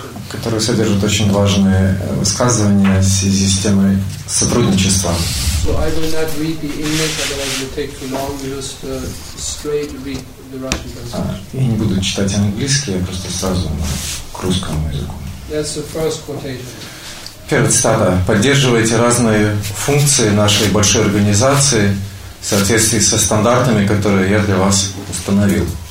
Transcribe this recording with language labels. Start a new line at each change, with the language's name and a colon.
Russian: Которые содержат очень важные высказывания в связи с темой сотрудничества.
English: So I will not read the English, otherwise it will take too long, just straight read the Russian translation.
Russian: Я не буду читать английский, я просто сразу к русскому языку.
English: That's the first quotation.
Russian: Первая цитата. Поддерживайте разные функции нашей большой организации в соответствии со стандартами, которые я для вас установил.